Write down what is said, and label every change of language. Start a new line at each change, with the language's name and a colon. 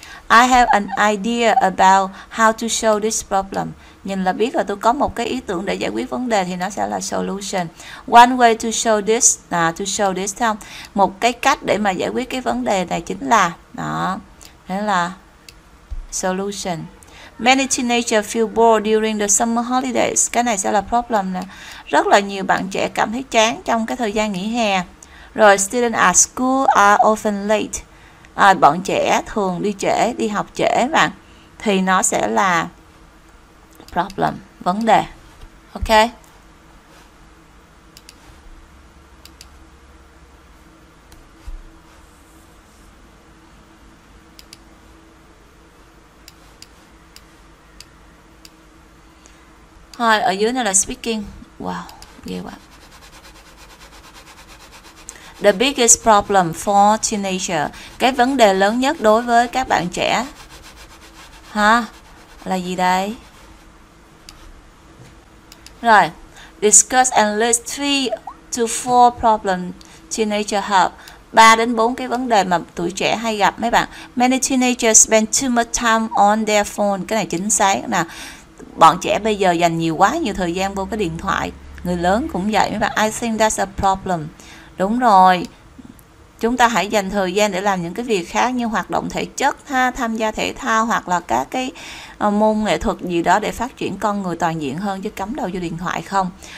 English: I have an idea about how to solve this problem.
Vietnamese: Nhìn là biết là tôi có một cái ý tưởng để giải quyết vấn đề, thì nó sẽ là solution.
English: One way to solve this, to solve this, không?
Vietnamese: Một cái cách để mà giải quyết cái vấn đề này chính là, đó, thế là solution.
English: Many teenagers feel bored during the summer holidays.
Vietnamese: Cái này sẽ là problem nè. Rất là nhiều bạn trẻ cảm thấy chán trong cái thời gian nghỉ hè. Rồi,
English: students at school are often late.
Vietnamese: Bọn trẻ thường đi trễ, đi học trễ bạn. Thì nó sẽ là problem, vấn đề. Ok. Thôi, ở dưới này là speaking. Wow, ghê quá.
English: The biggest problem for teenager.
Vietnamese: Cái vấn đề lớn nhất đối với các bạn trẻ ha, là gì đây?
English: Rồi, discuss and list 3 to 4 problems teenager have.
Vietnamese: 3 đến 4 cái vấn đề mà tuổi trẻ hay gặp mấy bạn.
English: Many teenagers spend too much time on their phone.
Vietnamese: Cái này chính xác nè. Bọn trẻ bây giờ dành nhiều quá nhiều thời gian vô cái điện thoại. Người lớn cũng vậy mấy bạn.
English: I think that's a problem.
Vietnamese: Đúng rồi, chúng ta hãy dành thời gian để làm những cái việc khác như hoạt động thể chất ha, tham gia thể thao hoặc là các cái môn nghệ thuật gì đó để phát triển con người toàn diện hơn, chứ cắm đầu vô điện thoại không.